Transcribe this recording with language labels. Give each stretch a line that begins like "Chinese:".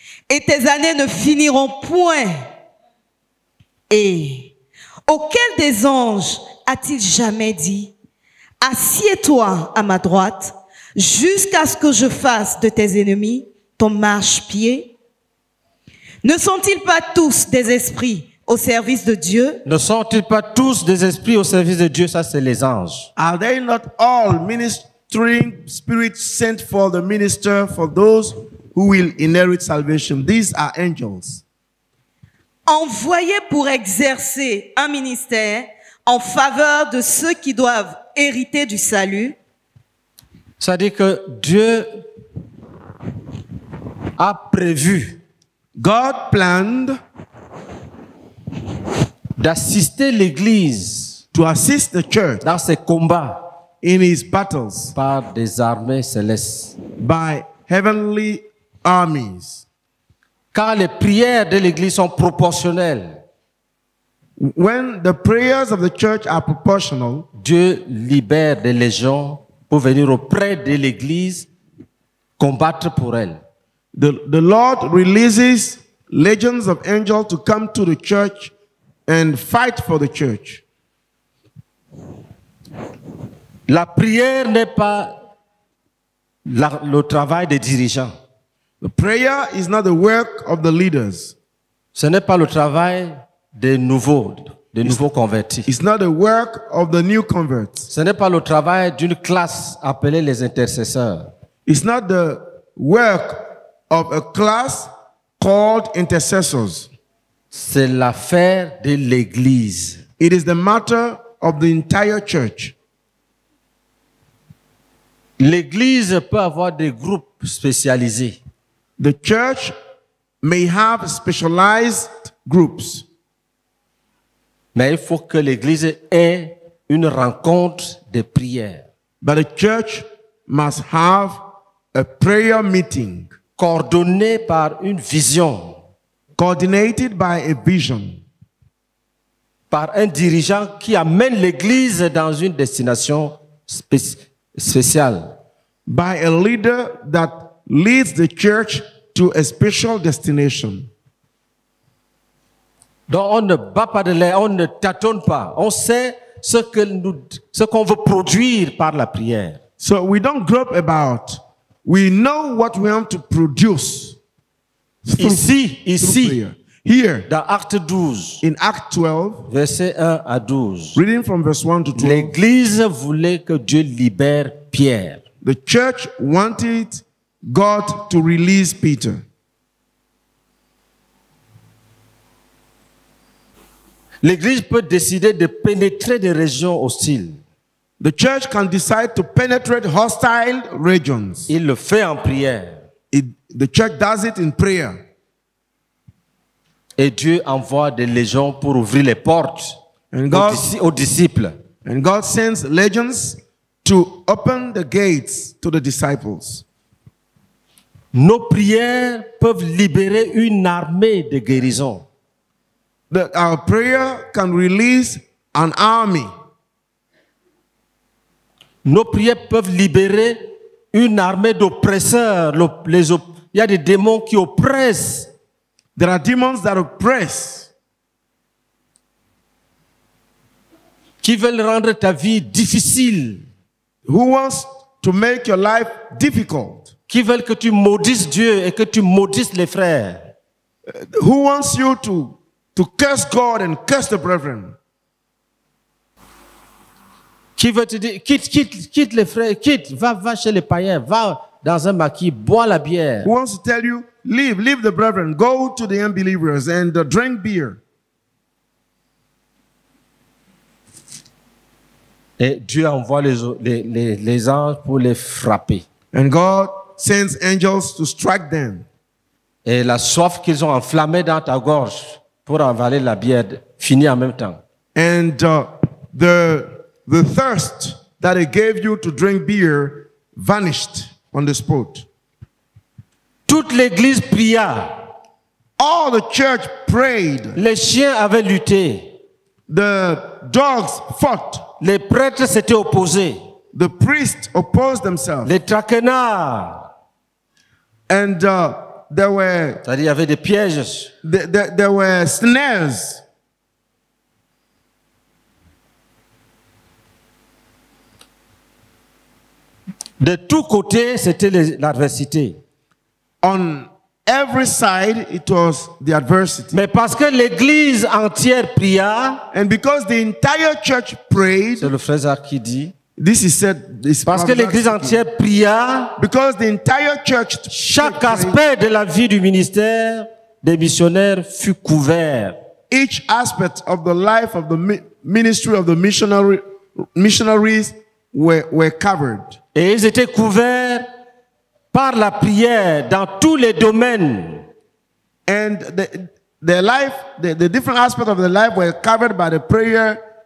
French: Et tes années ne finiront point. Et auquel des anges a-t-il jamais dit, assieds-toi à ma droite jusqu'à ce que je fasse de tes ennemis ton marche-pied? Ne sont-ils pas tous des esprits au service de Dieu? Ne sont-ils pas tous des esprits au service de Dieu? Ça, c'est les anges.
English: Are they not all ministering spirits sent for the minister for those who will inherit salvation? These are angels.
French: Envoyés pour exercer un ministère en faveur de ceux qui doivent hériter du salut. Ça dit que Dieu a prévu.
English: God planned
French: d'assister l'Église,
English: to assist the church,
French: dans ses combats,
English: in his battles,
French: par des armées célestes,
English: by heavenly armies.
French: Car les prières de l'Église sont proportionnelles.
English: When the prayers of the church are proportional,
French: Dieu libère des légions pour venir auprès de l'Église combattre pour elle.
English: The Lord releases legions of angels to come to the church and fight for the church.
French: La prière n'est pas le travail des dirigeants.
English: The prayer is not the work of the leaders.
French: Ce n'est pas le travail des nouveaux convertis.
English: It's not the work of the new converts.
French: Ce n'est pas le travail d'une classe appelée les intercesseurs.
English: It's not the work of a class called intercessors.
French: C'est l'affaire de l'Église.
English: It is the matter of the entire church.
French: L'Église peut avoir des groupes spécialisés.
English: The church may have specialized groups.
French: Mais il faut que l'Église ait une rencontre de prière.
English: But the church must have a prayer meeting.
French: Coordonnée par une vision.
English: Coordinated by a vision.
French: Par un dirigeant qui amène l'Église dans une destination spéciale.
English: By a leader that leads the church to a special destination.
French: Donc on ne bat pas de l'air, on ne tâtonne pas. On sait ce qu'on veut produire par la prière.
English: So we don't grope about. We know what we want to produce.
French: Ici,
English: here,
French: dans Acte 12,
English: in Act 12,
French: verset 1 à 12,
English: reading from verse 1 to 12,
French: l'Église voulait que Dieu libère Pierre.
English: The church wanted God to release Peter.
French: L'Église peut décider de pénétrer des régions hostiles.
English: The church can decide to penetrate hostile regions.
French: Il le fait en prière.
English: The church does it in prayer.
French: Et Dieu envoie des légions pour ouvrir les portes aux disciples.
English: And God sends legions to open the gates to the disciples.
French: Nos prières peuvent libérer une armée de guérison.
English: That our prayer can release an army.
French: Nos prières peuvent libérer une armée d'oppresseurs. Il y a des démons qui oppressent.
English: There are demons that oppress.
French: Qui veulent rendre ta vie difficile.
English: Who wants to make your life difficult?
French: Qui veulent que tu maudisses Dieu et que tu maudisses les frères.
English: Who wants you to curse God and curse the brethren?
French: Qui veut te dire, quitte les frères, quitte, va chez les païens, va dans un maquis, bois la bière.
English: Who wants to tell you, leave the brethren, go to the unbelievers and drink beer.
French: Et Dieu envoie les anges pour les frapper.
English: And God sends angels to strike them.
French: Et la soif qu'ils ont enflammée dans ta gorge pour avaler la bière finit en même temps.
English: And the thirst that it gave you to drink beer vanished on the spot.
French: Toute l'église pria.
English: All the church prayed.
French: Les chiens avaient lutté.
English: The dogs fought.
French: Les prêtres s'étaient opposés.
English: The priests opposed themselves.
French: Les traquenards.
English: And there were.
French: C'est-à-dire, il y avait des pièges.
English: There were snares.
French: De tous côtés, c'était l'adversité.
English: On every side, it was the adversity.
French: Mais parce que l'église entière pria,
English: and because the entire church prayed,
French: c'est le frère Zach qui dit,
English: this is said, this
French: parce que l'église entière pria,
English: because the entire church
French: chaque aspect
English: prayed,
French: de la vie du ministère des missionnaires fut couvert.
English: Each aspect of the life of the ministry of the missionaries were covered.
French: Et ils étaient couverts par la prière dans tous les domaines.
English: And their life, the different aspects of their life were covered by the prayer,